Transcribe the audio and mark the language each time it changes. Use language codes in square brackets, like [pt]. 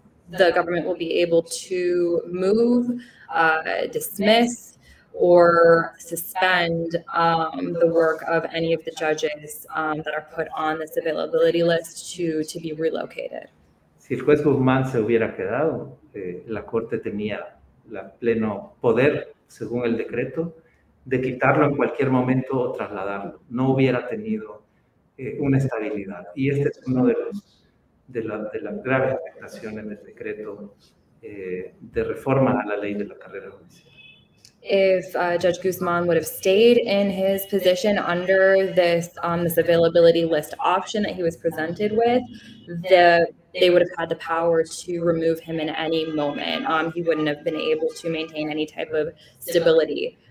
[en] the government will be able to move, dismiss, or suspend the work of any of the judges that are put on this availability list to be relocated. [es] Si el juez Guzmán se hubiera quedado, la corte tenía la pleno poder, según el decreto, de quitarlo en cualquier momento o trasladarlo. No hubiera tenido una estabilidad. Y este es uno de los de las graves afectaciones del decreto de reforma a la ley de la carrera judicial. [en] If Judge Guzman would have stayed in his position under this availability list option that he was presented with, they would have had the power to remove him in any moment. He wouldn't have been able to maintain any type of stability.